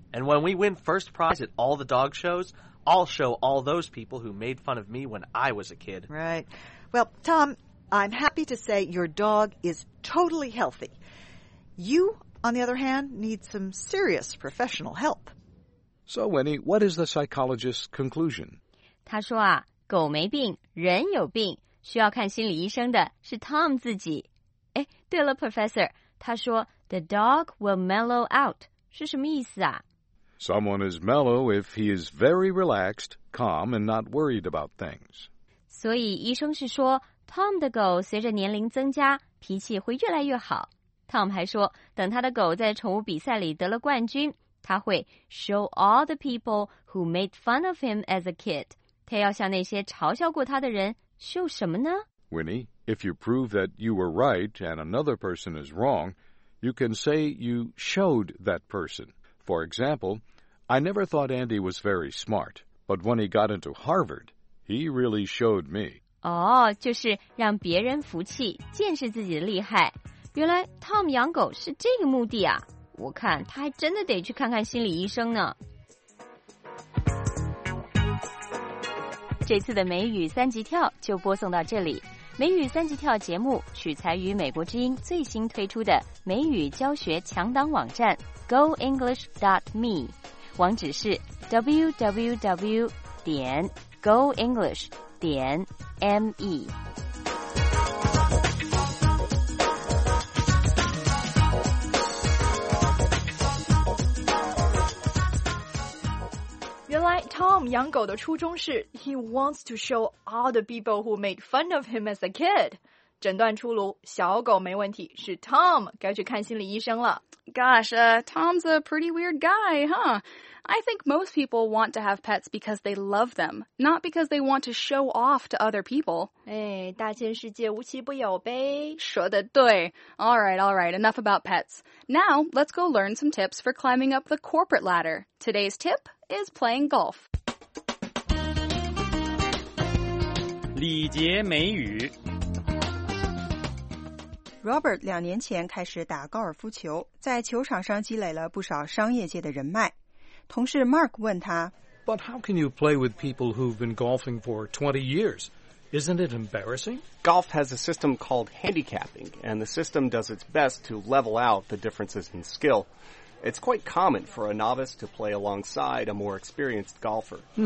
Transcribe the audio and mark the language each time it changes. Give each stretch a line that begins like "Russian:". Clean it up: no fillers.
English: And when we win first prize at all the dog shows, I'll show all those people who made fun of me when I was a kid. Right. Well, Tom, I'm happy to say your dog is totally healthy. You, on the other hand, need some serious professional help. So, Winnie, what is the psychologist's conclusion?
Chinese: 他说啊，狗没病，人有病，需要看心理医生的是 Tom 自己。哎，对了 ，Professor， 他说
English: "The dog will mellow out"
Chinese: 是什么意思啊
English: ？Someone is mellow if he is very relaxed, calm, and not worried about things.
Chinese: 所以医生是说 ，Tom 的狗随着年龄增加，脾气会越来越好。 Tom 还说，等他的狗在宠物比赛里得了冠军，他会
English: show all the people who made fun of him as a kid.
Chinese: 他要向那些嘲笑过他的人 show 什么呢
English: ？Winnie, if you prove that you were right and another person is wrong, you can say you showed that person. For example, I never thought Andy was very smart, but when he got into Harvard, he really showed me.
Chinese: 哦，就是让别人服气，见识自己的厉害。原来 Tom 养狗是这个目的啊！我看他还真的得去看看心理医生呢。这次的美语三级跳就播送到这里。美语三级跳节目取材于美国之音最新推出的美语教学强档网站 GoEnglish.me， 网址是 www.goenglish.me。
English: Tom
Chinese: 养狗的初衷是
English: He wants to show all the people who made fun of him as a kid.
Chinese: 诊断出炉，小狗没问题，是 Tom 该去看心理医生了。
English: Gosh, Tom's a pretty weird guy, huh? I think most people want to have pets because they love them, not because they want to show off to other people.
Chinese: 哎，大千世界无奇不有呗。说的对。
English: All right, enough about pets. Now, let's go learn some tips for climbing up the corporate ladder. Today's tip... is playing golf.
Chinese: 礼节美语。 Robert 两年前开始打高尔夫球，在球场上积累了不少商业界的人脉。同事 Mark 问他
English: ，But how can you play with people who've been golfing for 20 years? Isn't it embarrassing? Golf has a system called handicapping, and the system does its best to level out the differences in skill. It's quite common for a novice to play alongside a more experienced golfer.